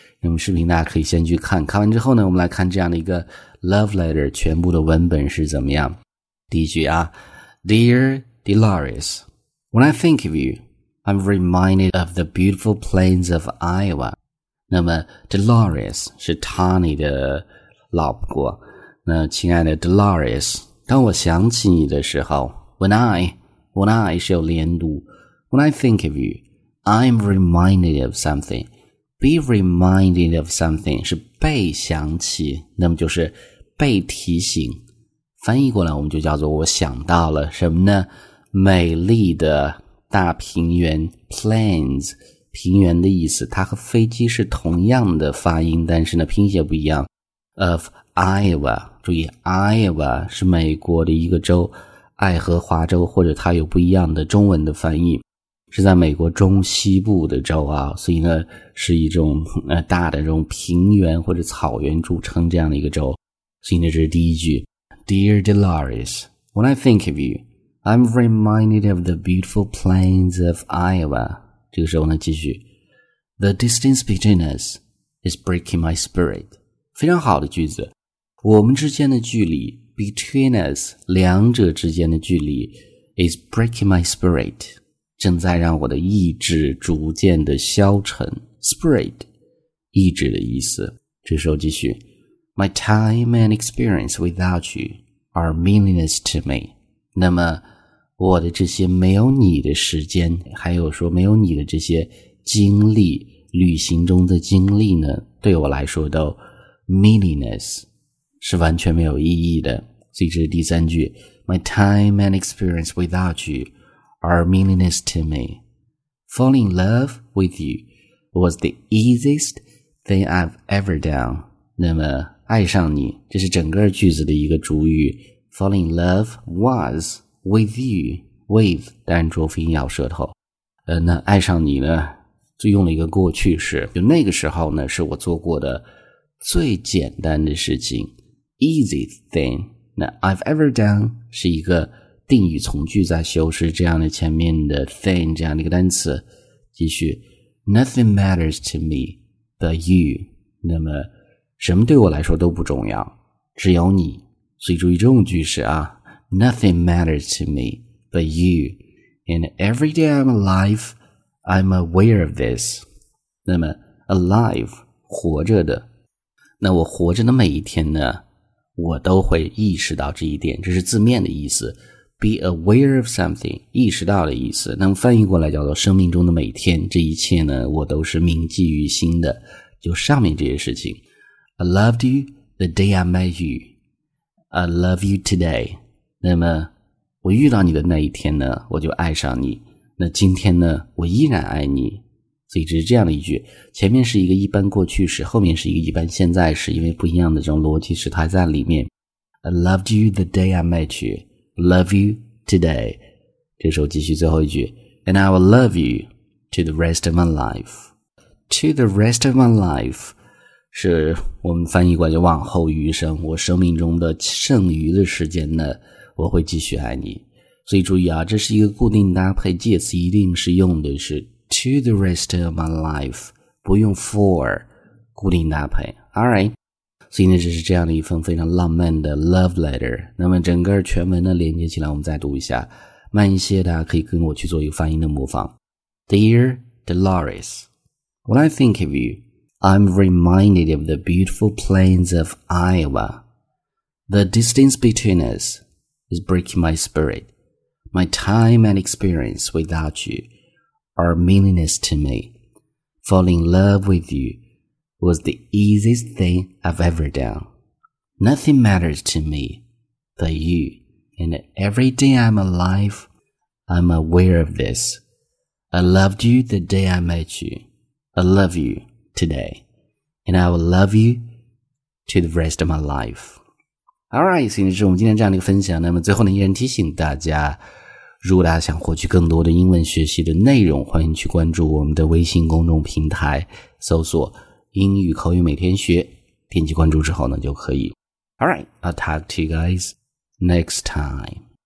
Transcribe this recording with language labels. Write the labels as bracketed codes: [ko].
[zh] 那么视频大家可以先去看，看完之后呢，我们来看这样的一个 love letter 全部的文本是怎么样。第一句啊， [en] Dear Dolores， When I think of youI'm reminded of the beautiful plains of Iowa. [zh] 那么 Dolores 是 Tony 的老婆。那亲爱的 Dolores， 当我想起你的时候， When I 是有连读， [en] When I think of you， I'm reminded of something. [zh] Be reminded of something 是被想起，那么就是被提醒，翻译过来我们就叫做我想到了什么呢，美丽的大平原 plains， 平原的意思，它和飞机是同样的发音，但是呢拼写不一样。 of Iowa， 注意 Iowa 是美国的一个州，爱荷华州，或者它有不一样的中文的翻译，是在美国中西部的州啊，所以呢是一种大的这种平原或者草原著称这样的一个州。所以呢这是第一句， [en] Dear Dolores， When I think of youI'm reminded of the beautiful plains of Iowa. [zh] 这个时候呢继续， [en] The distance between us is breaking my spirit. [zh] 非常好的句子，我们之间的距离， between us 两者之间的距离， [en] is breaking my spirit， [zh] 正在让我的意志逐渐的消沉， spirit 意志的意思。这时候继续， [en] My time and experience without you are meaningless to me. [zh] 那么我的这些没有你的时间，还有说没有你的这些经历，旅行中的经历呢，对我来说都 meaningless， 是完全没有意义的。所以这是第三句， [en] My time and experience without you are meaningless to me. Falling in love with you was the easiest thing I've ever done. [zh] 那么爱上你，这是整个句子的一个主语， [en] Falling in love was with you. [zh] With 单浊辅音咬舌头。那爱上你呢，就用了一个过去式。就那个时候呢，是我做过的最简单的事情。 [en] Easy thing. [zh] 那 I've ever done 是一个定语从句在修饰这样的前面的 thing 这样的一个单词。继续。 [en] Nothing matters to me but you. [zh] 那么什么对我来说都不重要，只有你。所以注意这种句式啊， [en] Nothing matters to me but you, and every day I'm alive, I'm aware of this. [zh] 那么 alive 活着的，那我活着的每一天呢，我都会意识到这一点，这是字面的意思， [en] be aware of something, [zh] 意识到的意思。那么翻译过来叫做生命中的每天，这一切呢，我都是铭记于心的。就上面这些事情。 [en] I loved you the day I met you. I love you today. [zh] 那么我遇到你的那一天呢，我就爱上你。那今天呢，我依然爱你。所以只是这样的一句，前面是一个一般过去式，后面是一个一般现在式，因为不一样的这种逻辑时态在里面。 [en] I loved you the day I met you. Love you today. [zh] 这时候继续最后一句。 [en] And I will love you to the rest of my life. To the rest of my life. [zh] 是我们翻译过来往后余生，我生命中的剩余的时间呢，我会继续爱你。所以注意啊，这是一个固定搭配，介词一定是用的是 [en] to the rest of my life, [zh] 不用 for, 固定搭配。 [en] Alright. [zh] 所以呢，这是这样的一份非常浪漫的 love letter。那么整个全文呢连接起来，我们再读一下，慢一些的可以跟我去做一个发音的模仿。 [en] Dear Dolores, When I think of you, I'm reminded of the beautiful plains of Iowa. The distance between us is breaking my spirit. My time and experience without you are meaningless to me. Falling in love with youwas the easiest thing I've ever done. Nothing matters to me but you, and every day I'm alive, I'm aware of this. I loved you the day I met you. I love you today, and I will love you to the rest of my life. [zh] Alright, 所以这是我们今天这样的一个分享。那么最后呢，依然提醒大家，如果大家想获取更多的英文学习的内容，欢迎去关注我们的微信公众平台，搜索英语口语每天学，点击关注之后呢就可以。 [en] Alright, I'll talk to you guys next time.